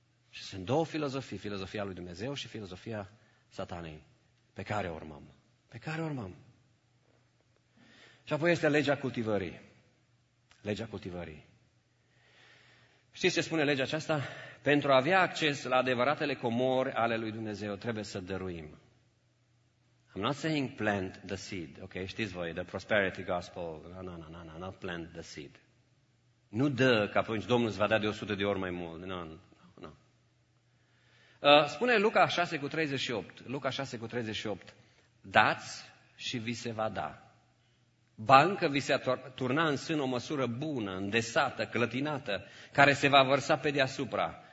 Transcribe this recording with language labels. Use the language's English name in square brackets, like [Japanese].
[Romanian] Și sunt două filozofii, filozofia lui Dumnezeu și filozofia Satanei, pe care o urmăm. Pe care o urmăm. Și apoi este legea cultivării. Legea cultivării. Știți ce spune legea aceasta? Pentru a avea acces la adevăratele comori ale lui Dumnezeu, trebuie să dăruim. [English] I'm not saying plant the seed, ok? [Romanian] Știți voi, [English] the prosperity gospel, no, not plant the seed. [Romanian] Nu dă, că apoi Domnul îți va da de 100 de ori mai mult, [English] no. [Romanian] Spune Luca 6:38, dați și vi se va da. Bancă vi se turna în sân o măsură bună, îndesată, clătinată, care se va vărsa pe deasupra.